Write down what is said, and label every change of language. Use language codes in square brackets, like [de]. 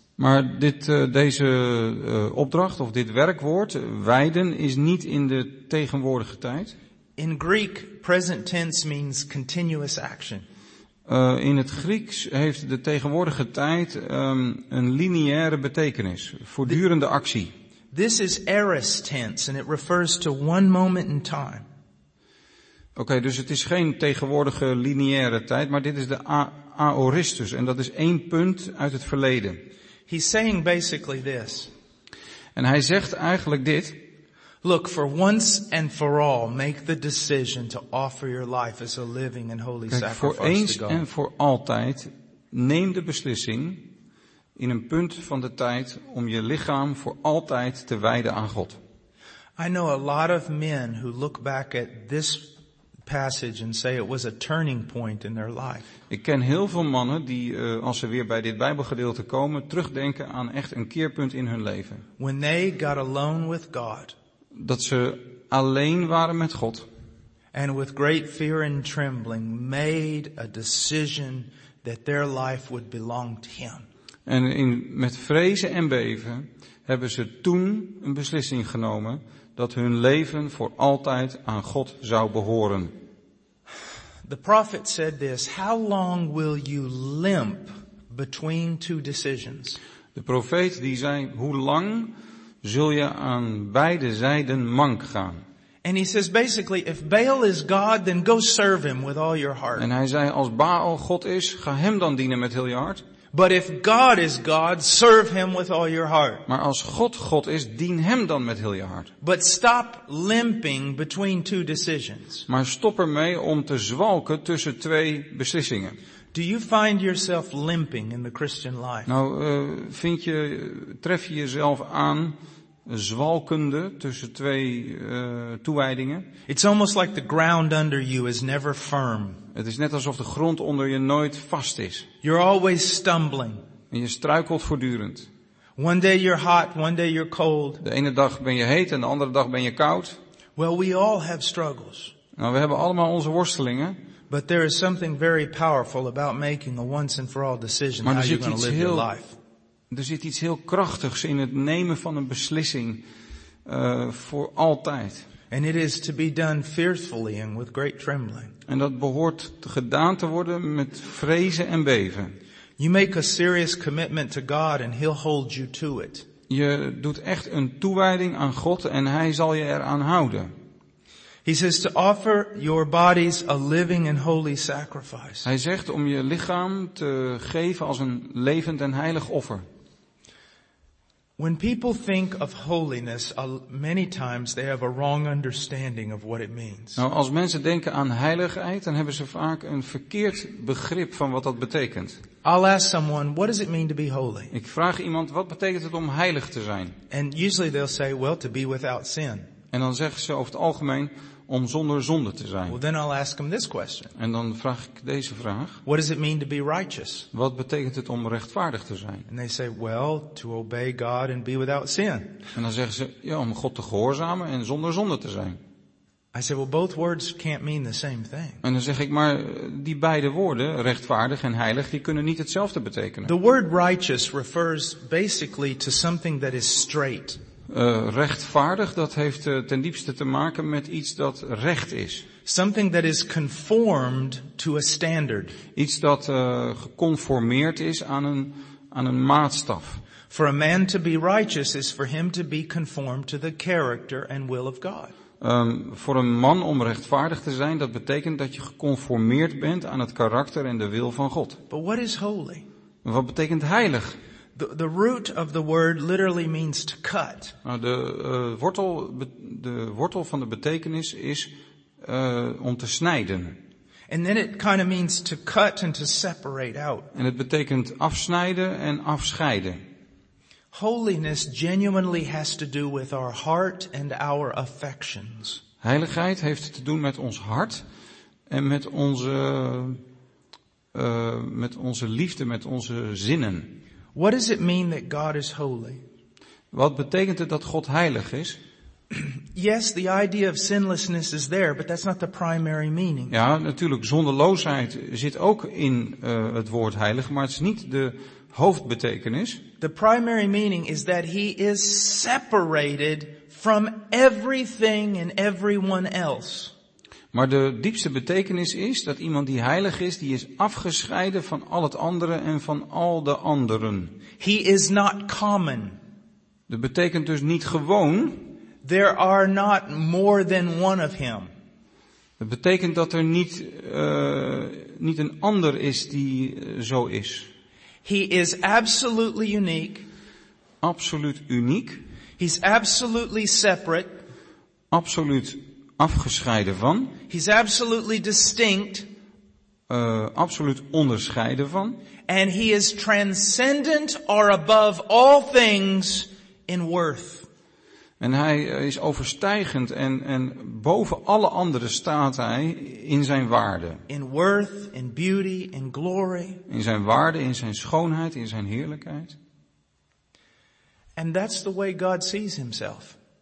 [nl] Maar deze opdracht of dit werkwoord wijden is niet in de tegenwoordige tijd. [en] In Greek, present tense means continuous action. [nl] In het Grieks heeft de tegenwoordige tijd een lineaire betekenis, voortdurende actie. [en] This is aorist tense and it refers to one moment in time. [nl] Oké, dus het is geen tegenwoordige lineaire tijd, maar dit is de aoristus, en dat is één punt uit het verleden. [en] He's saying basically this. [nl] En hij zegt eigenlijk dit. [en] Look, for once and for all, make the decision to offer your life as a living and holy sacrifice to God. [nl] Kijk, voor eens en voor altijd, neem de beslissing in een punt van de tijd om je lichaam voor altijd te wijden aan God. [en] I know a lot of men who look back at this passage and say it was a turning point in their life. [nl] Ik ken heel veel mannen die als ze weer bij dit Bijbelgedeelte komen terugdenken aan echt een keerpunt in hun leven. [en] When they got alone with God. [nl] Dat ze alleen waren met God. [en] And with great fear and trembling made a decision that their life would belong to him. [nl] En met vrezen en beven hebben ze toen een beslissing genomen dat hun leven voor altijd aan God zou behoren. [en] The prophet said this, how long will you limp between two decisions? [nl] De profeet die zei, hoe lang zul je aan beide zijden mank gaan? [en] And he says basically, if Baal is God, then go serve him with all your heart. [nl] En hij zei, als Baal God is, ga hem dan dienen met heel je hart. [en] But if God is God, serve him with all your heart. [nl] Maar als God God is, dien hem dan met heel je hart. [en] But stop limping between two decisions. [nl] Maar stop ermee om te zwalken tussen twee beslissingen. [en] Do you find yourself limping in the Christian life? [nl] Nou, tref je jezelf aan zwalkende tussen twee toewijdingen? [en] It's almost like the ground under you is never firm. [nl] Het is net alsof de grond onder je nooit vast is. [en] You're always stumbling. [nl] En je struikelt voortdurend. [en] One day you're hot, one day you're cold. [nl] De ene dag ben je heet en de andere dag ben je koud. [en] Well, we all have struggles. [nl] Nou, we hebben allemaal onze worstelingen. [en] But there is something very powerful about making a once and for all decision how you're going to live your life. [nl] Er zit iets heel krachtigs in het nemen van een beslissing voor altijd. [en] And it is to be done fearfully and with great trembling. [nl] En dat behoort gedaan te worden met vrezen en beven. [en] You make a serious commitment to God and he'll hold you to it. [nl] Je doet echt een toewijding aan God en hij zal je eraan houden. [en] He says to offer your bodies a living and holy sacrifice. [nl] Hij zegt om je lichaam te geven als een levend en heilig offer. [en] When people think of holiness, many times they have a wrong understanding of what it means. [nl] Nou, als mensen denken aan heiligheid, dan hebben ze vaak een verkeerd begrip van wat dat betekent. [en] I'll ask someone, what does it mean to be holy? [nl] Ik vraag iemand, wat betekent het om heilig te zijn? [en] And usually they'll say, well, to be without sin. [nl] En dan zeggen ze over het algemeen om zonder zonde te zijn. [en] Well, then I'll ask them this question. [nl] En dan vraag ik deze vraag. [en] What does it mean to be righteous? [nl] Wat betekent het om rechtvaardig te zijn? [en] And they say, well, to obey God and be without sin. [nl] En dan zeggen ze, ja, om God te gehoorzamen en zonder zonde te zijn. [en] I say, well, both words can't mean the same thing. [nl] En dan zeg ik, maar die beide woorden, rechtvaardig en heilig, die kunnen niet hetzelfde betekenen. [en] The word righteous refers basically to something that is straight. [nl] Rechtvaardig, dat heeft ten diepste te maken met iets dat recht is. [en] Something that is conformed to a standard. [nl] Iets dat geconformeerd is aan een maatstaf. [en] For a man to be righteous is for him to be conformed to the character and will of God. [nl] Voor een man om rechtvaardig te zijn, dat betekent dat je geconformeerd bent aan het karakter en de wil van God. [en] But what is holy? [nl] Wat betekent heilig? [en] The root of the word literally means to cut. [nl] De wortel van de betekenis is om te snijden. [en] And then it kind of means to cut and to separate out. [nl] En het betekent afsnijden en afscheiden. [en] Holiness genuinely has to do with our heart and our affections. [nl] Heiligheid heeft te doen met ons hart en met onze liefde, met onze zinnen. [en] What does it mean that God is holy? [nl] Wat betekent het dat God heilig is? [en] Yes, the idea of sinlessness is there, but that's not the primary meaning. [nl] Ja, natuurlijk, zondeloosheid zit ook in het woord heilig, maar het is niet de hoofdbetekenis. [en] The primary meaning is that he is separated from everything and everyone else. [nl] Maar de diepste betekenis is dat iemand die heilig is, die is afgescheiden van al het andere en van al de anderen. [en] He is not common. [nl] Dat betekent dus niet gewoon. [en] There are not more than one of him. [nl] Dat betekent dat er niet niet een ander is die zo is. [en] He is absolutely unique. [nl] Absoluut uniek. [en] He's absolutely separate. [nl] Absoluut afgescheiden van. [en] He's absolutely distinct. [nl] Absoluut onderscheiden van. [en] And he is transcendent or above all things in worth. [nl] En hij is overstijgend en boven alle anderen staat hij in zijn waarde. [en] In worth, in beauty, in glory. [nl] In zijn waarde, in zijn schoonheid, in zijn heerlijkheid. [en] And that's the way God sees himself.